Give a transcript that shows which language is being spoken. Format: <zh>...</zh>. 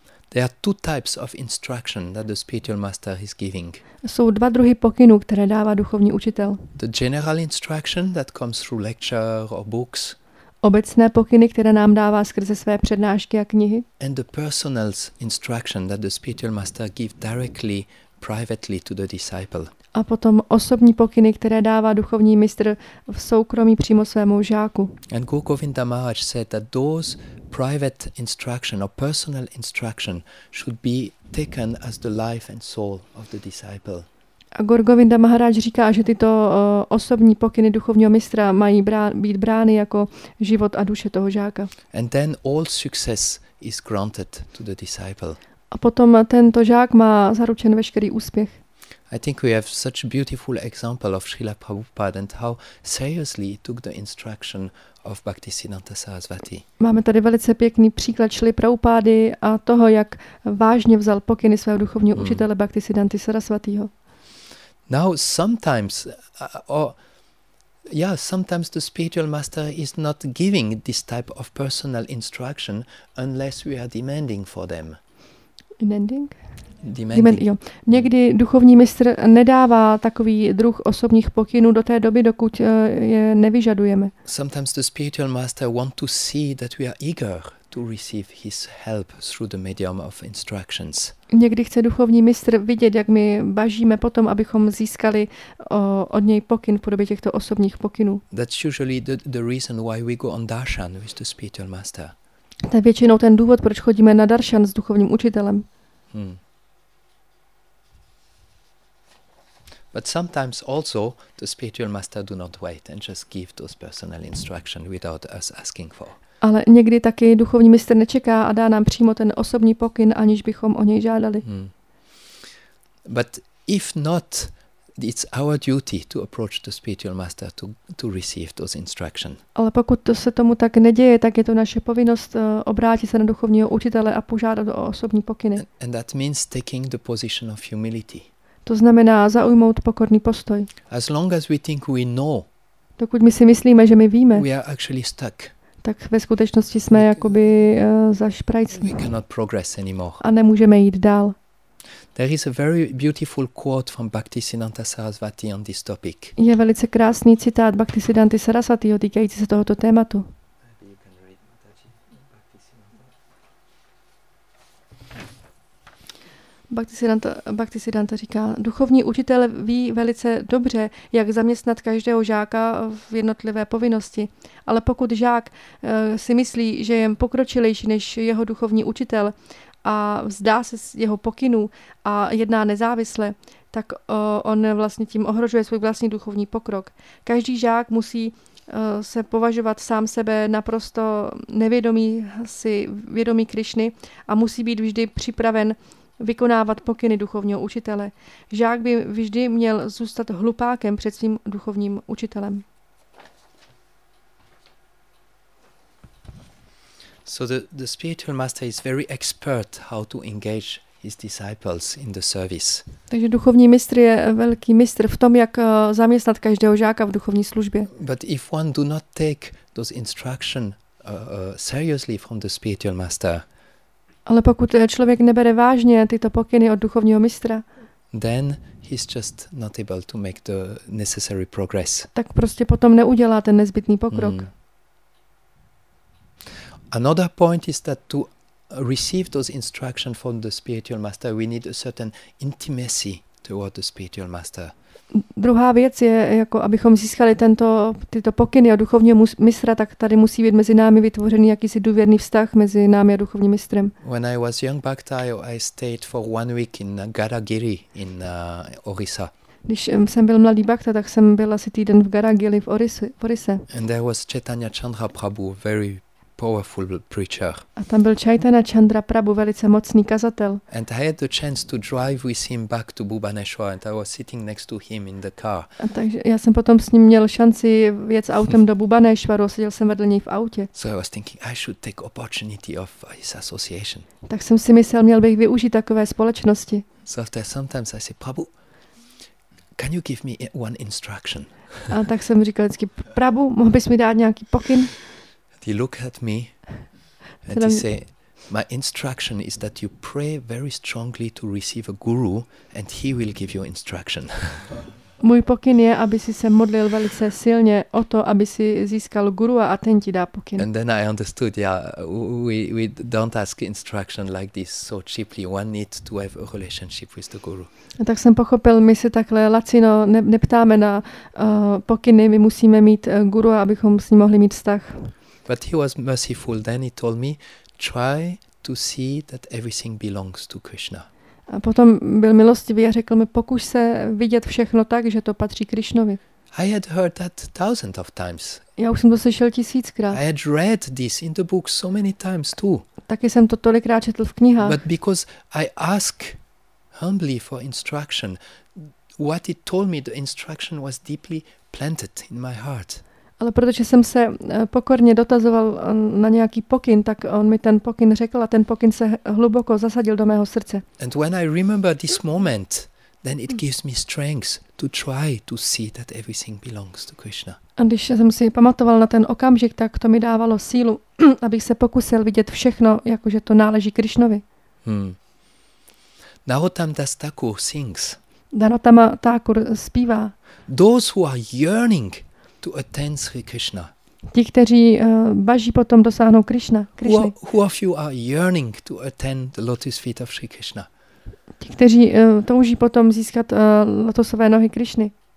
<en>There are two types of instruction that the spiritual master is giving.</en> <cs>Jsou dva druhy pokynů, které dává duchovní učitel.</cs> <en>The general instruction that comes through lecture or books.</en> <cs>Obecné pokyny, které nám dává skrze své přednášky a knihy.</cs> <en>And the personal instruction that the spiritual master gives directly, privately to the disciple.</en> <cs>A potom osobní pokyny, které dává duchovní mistr v soukromí přímo svému žáku.</cs> <en>And Guru Govinda Maharaj said that those private instruction or personal instruction should be taken as the life and soul of the disciple.</en> <cs>A Guru Govinda Maharaj říká, že tyto osobní pokyny duchovního mistra mají být brány jako život a duše toho žáka.</cs> <en>And then all success is granted to the disciple.</en> <cs>A potom tento žák má zaručen veškerý úspěch.</cs> <en>I think we have such a beautiful example of Srila Prabhupada and how seriously he took the instruction of Bhaktisiddhanta Sarasvati.</en> <cs>Máme tady velice pěkný příklad Srily Prabhupady a toho, jak vážně vzal pokyny svého duchovního učitele Bhaktisiddhanty Sarasvatiho.</cs> <en>Now sometimes, or Yeah, sometimes the spiritual master is not giving this type of personal instruction unless we are demanding for them. Demanding? Demanding.</en> <cs>Někdy duchovní mistr nedává takový druh osobních pokynů do té doby, dokud je nevyžadujeme.</cs> <en>Sometimes the spiritual master wants to see that we are eager to receive his help through the medium of instructions.</en> <cs>Někdy chce duchovní mistr vidět, jak my bažíme potom, abychom získali od něj pokyn v podobě těchto osobních pokynů.</cs> <en>That's usually the reason why we go on darshan with the spiritual master.</en> <cs>To je většinou ten důvod, proč chodíme na darshan s duchovním učitelem.</cs> <en>But sometimes also the spiritual master do not wait and just give those personal instructions without us asking for.</en> <cs>Ale někdy taky duchovní mistr nečeká a dá nám přímo ten osobní pokyn, aniž bychom o něj žádali.</cs> <en>But if not, it's our duty to approach the spiritual master to receive those instructions.</en> <cs>Ale pokud to se tomu tak neděje, tak je to naše povinnost obrátit se na duchovního učitele a požádat o osobní pokyny.</cs> <en>And that means taking the position of humility.</en> <cs>To znamená zaujmout pokorný postoj.</cs> <en>As long as we think we know,</en> <cs>dokud my si myslíme, že my víme,</cs> <en>we are actually stuck.</en> <cs>Tak ve skutečnosti jsme jakoby zašprajcí.</cs> <en>We cannot progress anymore.</en> <cs>A nemůžeme jít dál.</cs> <en>There is a very beautiful quote from Bhaktisiddhanta Sarasvati on this topic.</en> <cs>Je velice krásný citát Bhaktisiddhanty Sarasvatiho týkající se tohoto tématu. Bhaktisiddhanta říká, duchovní učitel ví velice dobře, jak zaměstnat každého žáka v jednotlivé povinnosti, ale pokud žák si myslí, že je pokročilejší než jeho duchovní učitel a vzdá se z jeho pokynů a jedná nezávisle, tak on vlastně tím ohrožuje svůj vlastní duchovní pokrok. Každý žák musí se považovat sám sebe naprosto nevědomý si vědomí Krišny a musí být vždy připraven vykonávat pokyny duchovního učitele. Žák by vždy měl zůstat hlupákem před svým duchovním učitelem.</cs> <en>So the spiritual master is very expert how to engage his disciples in the service.</en> <cs>Takže duchovní mistr je velký mistr v tom, jak zaměstnat každého žáka v duchovní službě.</cs> <en>But if one do not take those instruction seriously from the spiritual master,</en> <cs>ale pokud člověk nebere vážně tyto pokyny od duchovního mistra,</cs> <en>then he's just not able to make the necessary progress.</en> <cs>Tak prostě potom neudělá ten nezbytný pokrok.</cs> <en>Another point is that to receive those instructions from the spiritual master, we need a certain intimacy toward the spiritual master.</en> <cs>Druhá věc je, jako abychom získali tyto pokyny od duchovního mistra, tak tady musí být mezi námi vytvořený jakýsi důvěrný vztah mezi námi a duchovním mistrem.</cs> <en>When I was young bhakta, I stayed for one week in Garagiri in Orissa.</en> <cs>Když jsem byl mladý bhakta, tak jsem byl asi týden v Garagiri v Orise.</cs> <en>And there was Chaitanya Chandra Prabhu, very powerful preacher.</en> <cs>A tam byl Chaitanya Chandra Prabhu, velice mocný kazatel.</cs> <en>And I had the chance to drive with him back to Bhubaneswar and I was sitting next to him in the car.</en> <cs>A takže já jsem potom s ním měl šanci jet autem do Bhubaneswaru, seděl jsem vedle něj v autě.</cs> <en>So I was thinking I should take opportunity of his association.</en> <cs>Tak jsem si myslel, měl bych využít takové společnosti.</cs> <en>So after sometimes I say, Prabhu, can you give me one instruction?</en> <cs>A tak jsem říkal vždycky, Prabhu, mohl bys mi dát nějaký pokyn?</cs> <en>He looked at me and he said, my instruction is that you pray very strongly to receive a guru and he will give you instruction.</en> <cs>Můj pokyn je, aby si se modlil velice silně o to, aby si získal guru a ten ti dá pokyn.</cs> <en>And then I understood, we don't ask instruction like this so cheaply. One needs to have a relationship with the guru.</en> <cs>A tak jsem pochopil, my se takhle lacino neptáme na pokyny, my musíme mít guru, abychom s ním mohli mít vztah.</cs> <en>But he was merciful. Then he told me, try to see that everything belongs to Krishna.</en> <cs>A potom byl milostivý a řekl mi, pokuš se vidět všechno tak, že to patří Krišnovi.</cs> <en>I had heard that thousands of times.</en> <cs>Já už jsem to slyšel tisíckrát.</cs> <en>I had read this in the books so many times too.</en> <cs>Taky jsem to tolikrát četl v knihách.</cs> <en>But because I ask humbly for instruction, what he told me, the instruction was deeply planted in my heart.</en> <cs>Ale protože jsem se pokorně dotazoval na nějaký pokyn, tak on mi ten pokyn řekl a ten pokyn se hluboko zasadil do mého srdce.</cs> <en>And when I remember this moment, then it gives me strength to try to see that everything belongs to Krishna.</en> <cs>A když jsem si pamatoval na ten okamžik, tak to mi dávalo sílu, abych se pokusil vidět všechno, jakože to náleží Krišnovi.</cs> <en>Narottam Das Thakur sings.</en> <cs>Narottama Thakur zpívá.</cs> <en>Those who are yearning to attend Sri Krishna.</en> <cs>Ti, kteří baží potom dosáhnou Krishna, Krishny.</cs> <en>Who of you are yearning to attend the lotus feet of Sri Krishna?</en> <cs>Ti, kteří touží potom získat lotosové nohy Krishny.</cs>